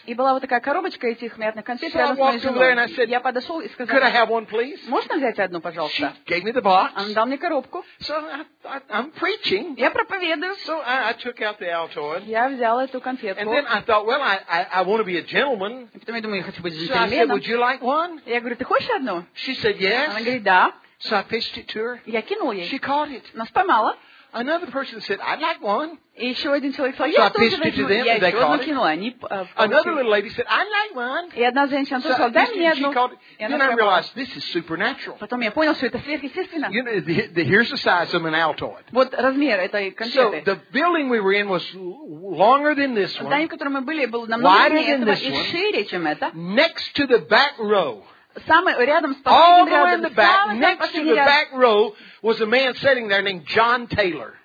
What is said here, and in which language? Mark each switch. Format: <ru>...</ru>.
<ru>И была вот такая коробочка этих мятных конфет рядом с моей женой.</ru> <en>And I said,</en> <ru>я подошел и сказал,</ru> <en>could I have one, please?</en> <ru>Можно взять одну, пожалуйста?</ru> <en>She gave me the box.</en> <ru>Она дала мне коробку.</ru> <en>So I'm preaching.</en> <ru>Я проповедую.</ru> <en>So I took out the Altoid.</en> <ru>Я взял эту конфетку.</ru> <en>And then I thought, well, I want to be a gentleman.</en> <ru>Потом я думаю, я хочу быть джентльменом.</ru> <en>So I said, would you like one?</en> <ru>Я говорю, ты хочешь одну?</ru> <en>She said, yes.</en> <ru>Она говорит, да.</ru> <en>So I pitched it to her.</en> <ru>Я кинул ей.</ru> <en>She caught it.</en> <ru>Нас поймала.</ru> <en>Another person said, I'd like one.</en> <ru>И еще один человек сказал, я</ru> <en>so</en> <ru>тоже возьму.</ru> <en>Them,</en> <ru>я еще одну кинула. Они,</ru> <en>another little lady said, I'd like one.</en> <ru>И одна женщина тоже сказала, дай мне одну.</ru> <en>Then I realized, this is supernatural.</en> <ru>Потом я понял, что это сверхъестественно.</ru> <en>You know, here's the size of an Altoid.</en> <ru>Вот размер этой конфеты.</ru> <en>So the building we were in was longer than this one.</en> <ru>Здание, в котором мы были, было намного меньше и шире, чем это.</ru> <en>Next to the back row.</en> <ru>Самый, рядом,</ru> <en>all the</en> <ru>рядом,</ru> <en>way in the back, next to the back row, was a man sitting there named John Taylor.</en>